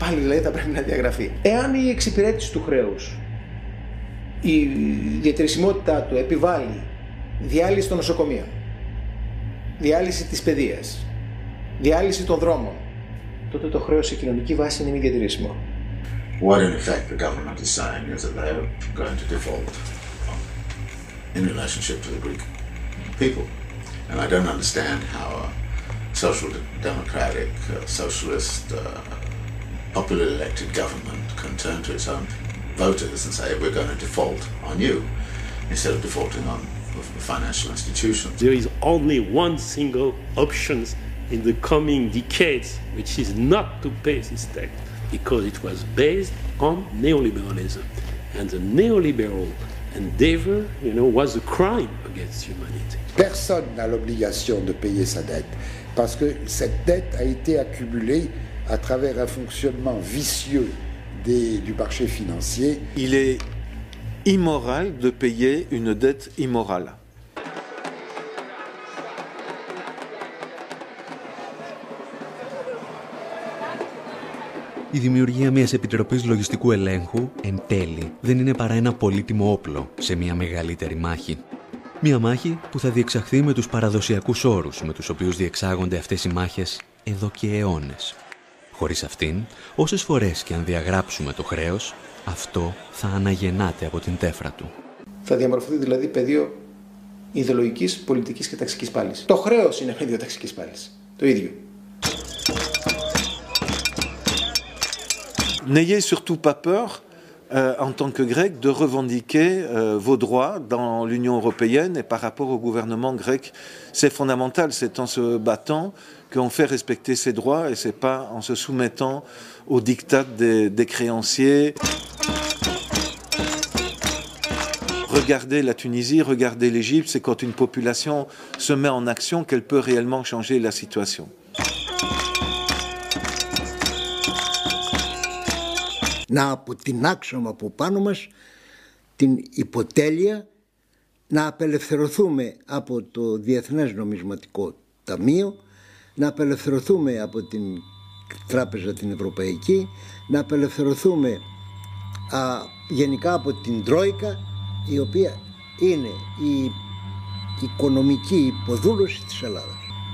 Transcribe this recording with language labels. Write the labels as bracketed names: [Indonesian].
[Greek] Πάλι δηλαδή θα πρέπει να διαγραφεί. Εάν η εξυπηρέτηση του χρέους, η διατηρησιμότητά του επιβάλλει διάλυση των νοσοκομείων, διάλυση της παιδείας, διάλυση των δρόμων, τότε το χρέος σε κοινωνική βάση είναι μη διατηρήσιμο. [English] What in effect the government is saying is that they are going to default in relationship to the Greek people. And I don't understand how a social democratic, socialist, popularly elected government can turn to its own voters and say we're going to default on you instead of defaulting on the financial institutions. There is only one single option in the coming decades, which is not to pay this debt. Because it was based on neoliberalism. And the neoliberal endeavor, you know, was a crime against humanity. [French] Personne n'a l'obligation de payer sa dette, parce que cette dette a été accumulée à travers un fonctionnement vicieux du marché financier. Il est immoral de payer une dette immorale. [Greek] Η δημιουργία μιας Επιτροπής Λογιστικού Ελέγχου, εν τέλει, δεν είναι παρά ένα πολύτιμο όπλο σε μια μεγαλύτερη μάχη. Μια μάχη που θα διεξαχθεί με τους παραδοσιακούς όρους με τους οποίους διεξάγονται αυτές οι μάχες εδώ και αιώνες. Χωρίς αυτήν, όσες φορές και αν διαγράψουμε το χρέος, αυτό θα αναγεννάται από την τέφρα του. Θα διαμορφωθεί δηλαδή πεδίο ιδεολογικής, πολιτικής και ταξικής πάλης. Το χρέος είναι πεδίο ταξικής πάλης. Το ίδιο. [French] N'ayez surtout pas peur, en tant que grec, de revendiquer vos droits dans l'Union européenne et par rapport au gouvernement grec. C'est fondamental, c'est en se battant qu'on fait respecter ses droits et c'est pas en se soumettant aux diktats des créanciers. Regardez la Tunisie, regardez l'Égypte, c'est quand une population se met en action qu'elle peut réellement changer la situation. [Greek] Να αποτινάξουμε από πάνω μας την υποτέλεια, να απελευθερωθούμε από το Διεθνές Νομισματικό Ταμείο, να απελευθερωθούμε από την Τράπεζα την Ευρωπαϊκή, να απελευθερωθούμε γενικά από την Τρόικα, η οποία είναι η οικονομική υποδούλωση της Ελλάδας.